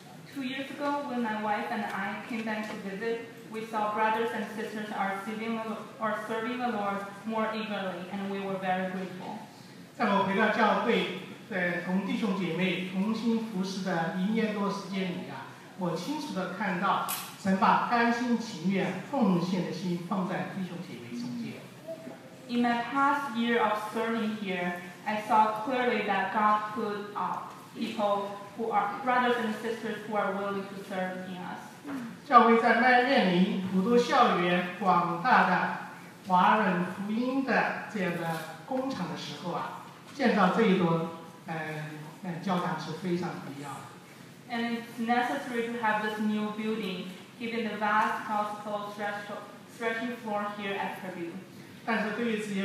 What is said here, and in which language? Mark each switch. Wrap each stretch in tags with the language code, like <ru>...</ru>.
<en>2 years ago, when my wife and I came back to visit, We saw brothers and sisters are serving the Lord more eagerly, and we were very grateful.</en> <zh>在我回到教会，在同弟兄姐妹同心服侍的一年多时间里啊，我清楚地看到神把甘心情愿奉献的心放在弟兄姐妹中间。</zh> <en>In my past year of serving here, I saw clearly that God put up people who are brothers and sisters who are willing to serve in us.</en> <zh>教会在麦瑞林普渡校园广大的华人福音的这样的工厂的时候啊。</zh> <en>And it's necessary to have this new building, given the vast gospel stretching floor here at Purdue.</en>